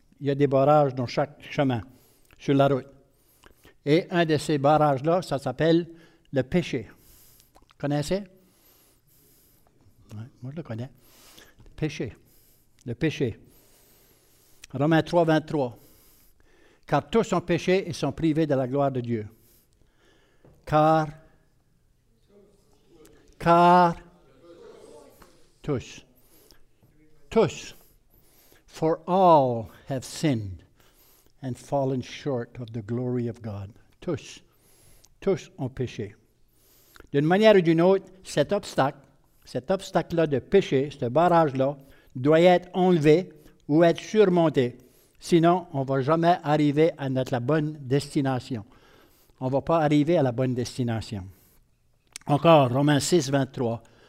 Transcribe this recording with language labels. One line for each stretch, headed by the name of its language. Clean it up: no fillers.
French: Il y a des barrages dans chaque chemin, sur la route. Et un de ces barrages-là, ça s'appelle le péché. Vous connaissez? Ouais, moi, je le connais. Le péché. Le péché. Romains 3, 23. Car tous ont péché et sont privés de la gloire de Dieu. Car tous,
English: for all have sinned and fallen short of the glory of God.
French: Tous ont péché. D'une manière ou d'une autre, cet obstacle-là de péché, ce barrage-là, doit être enlevé ou être surmonté. Sinon, on ne va jamais arriver à notre bonne destination. On ne va pas arriver à la bonne destination. Encore, Romains 6, 23.